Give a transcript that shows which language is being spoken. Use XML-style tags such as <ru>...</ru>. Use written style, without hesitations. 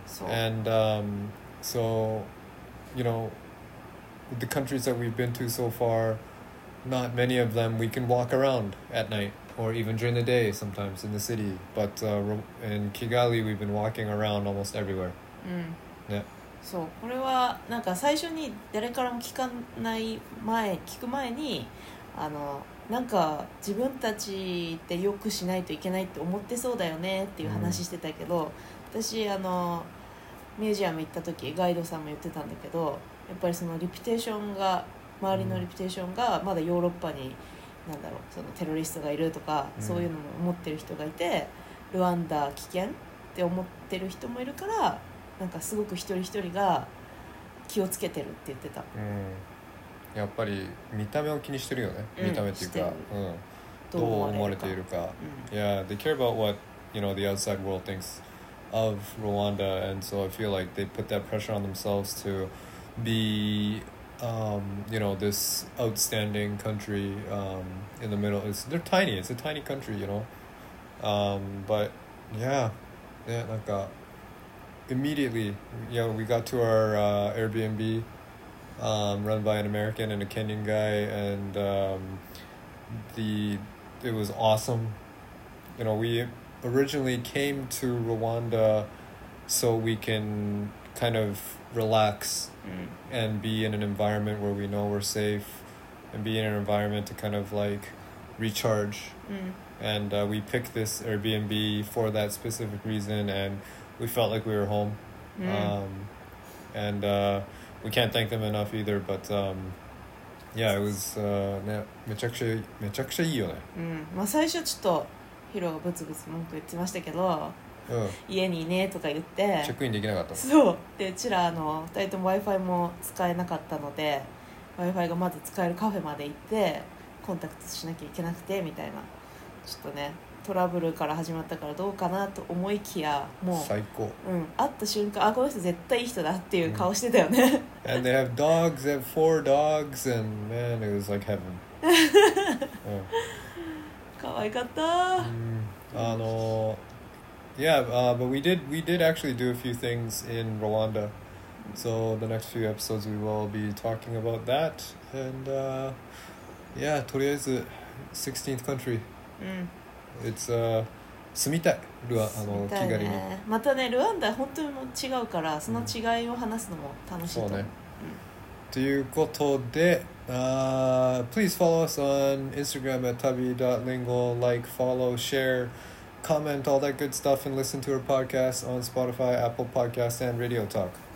<en>And so, you know, the countries that we've been to so far, not many of them we can walk around at night or even during the day sometimes in the city. But in Kigali, we've been walking around almost everywhere. Yeah.</en> <ja>そう、これはなんか最初に誰からも聞く前に、あのなんか自分たちってよくしないといけないって思ってそうだよねっていう話してたけど、私あのミュージアム行った時ガイドさんも言ってたんだけど、やっぱりそのリピテーションが、周りのリピテーションがまだヨーロッパになんだろう、そのテロリストがいるとか、そういうのも思ってる人がいて、ルワンダ危険って思ってる人もいるから、なんかすごく一人一人が気をつけてるって言ってた。やっぱり見た目を気にしてるよね。見た目っていうか、どう思われているか。</ja> <en>Yeah, they care about what, you know, the outside world thinks of Rwanda, and so I feel like they put that pressure on themselves to be, you know, this outstanding country, in the middle. It's a tiny country, you know. But yeah, yeah, なんか。 Immediately, you know, we got to our Airbnb, run by an American and a Kenyan guy, and it was awesome. You know, we originally came to Rwanda so we can kind of relax and be in an environment where we know we're safe and be in an environment to kind of like recharge. Mm. And we picked this Airbnb for that specific reason, and we felt like we were home. Mm. And we can't thank them enough either, but yeah, it was</en> <ja>めちゃくちゃいいよね。まあ最初ちょっとヒロがブツブツ文句言ってましたけど、家にいねとか言ってチェックインできなかった。そうで、うちらあの2人とも Wi-Fi も使えなかったので、 Wi-Fi がまず使えるカフェまで行ってコンタクトしなきゃいけなくてみたいな、ちょっとねトラブルから始まったからどうかなと思いきや、もう最高、うん、会った瞬間、あ、この人絶対いい人だっていう顔してたよね。</ja> <en>And they have dogs, they have four dogs, and man, it was like heaven.</en> <ja>可愛かった。</ja> <en>あの、yeah, but we did actually do a few things in Rwanda. So the next few episodes we will be talking about that. And yeah, とりあえず 16th country.</en> <ja>It's 住みたい、ルワ、あの、気軽に。またね、ルワンダ本当にも違うから、その違いを話すのも楽しいと思う。そうね。ということで、</ja> <en>please follow us on Instagram at tabi.lingual, like, follow, share, comment, all that good stuff, and listen to our podcast on Spotify, Apple Podcasts, and Radio Talk.</en>